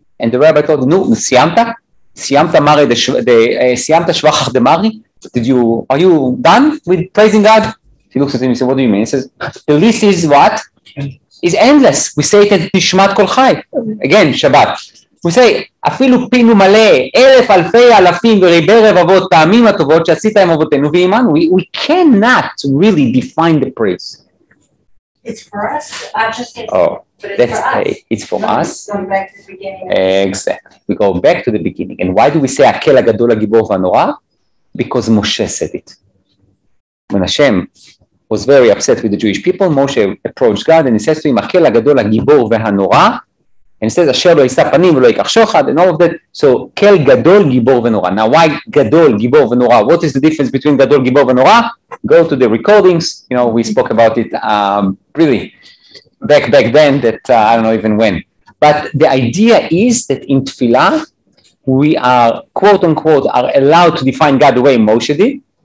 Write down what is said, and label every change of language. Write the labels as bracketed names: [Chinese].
[English] And the rabbi told him, no, [Aramaic] Siyamta? Siyamta mari siyamta shvachach de mari? [English] Are you done with praising God? He looks at him and says, what do you mean? He says, the list is what? It's endless. We say it at Nishmat Kol Chai. Again, Shabbat. [Hebrew] הוא עושה, אפילו פינו מלא, אלף אלפי אלפים וריבי רבבות, טעמים הטובות שעשית עם אבותינו ואימנו. [English] We cannot really define the praise. It's for us. I'm just kidding. Oh, that's okay. It's for us. Going back to the beginning. Exactly. We go back to the beginning. And why do we say, [Hebrew] הקל הגדול הגיבור והנורא? [English] Because Moshe said it. When Hashem was very upset with the Jewish people, Moshe approached God and he says to him, [Hebrew] הקל הגדול הגיבור והנורא, [English] and it says, [Hebrew] אשר לא יישא פנים ולא ייקח שוחד, [English] and all of that. [Hebrew] So, כל גדול גיבור ונורא. Now, why גדול גיבור ונורא? [English] What is the difference between [Hebrew] גדול גיבור ונורא? [English] Go to the recordings. You know, we spoke about it really back then, that I don't know even when. But the idea is that in tefillah, we are, quote unquote, are allowed to define God the way Moshe did.